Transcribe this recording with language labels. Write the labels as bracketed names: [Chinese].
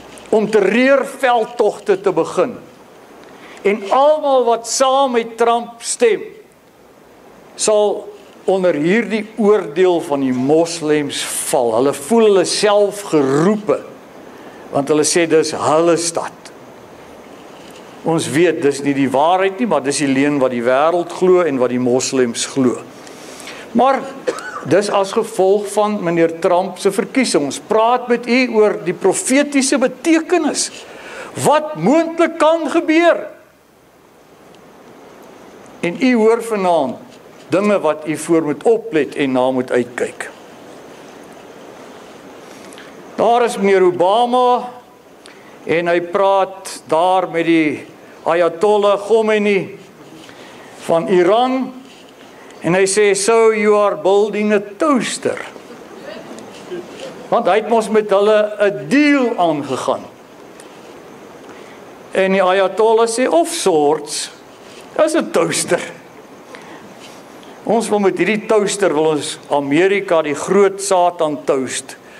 [Afrikaans] Om terreurveldtogte te begin. En almal wat saam met Trump stem, sal onder hierdie oordeel van die moslems val. Hulle voel hulle self geroepe, want hulle sê dis hulle stad. Ons weet, dis nie die waarheid nie, maar dis die leen wat die wêreld glo en wat die moslems glo. Maar dis as gevolg van meneer Trump se verkiesing. Ons praat met u oor die profetiese betekenis. Wat moontlik kan gebeur? En u hoor vanaand dinge wat u voor moet oplet en na moet uitkyk. Daar is meneer Obama en hy praat daar met die Ayatollah Khomeini van Iran. En hy sê, [English] so you are building a toaster. [Afrikaans] Want hy het ons met hulle 'n deal aangegaan. En die Ayatollah sê, [English] of sorts, [Afrikaans] is 'n toaster. Ons wil met hierdie toaster, wil ons Amerika die groot Satan toast.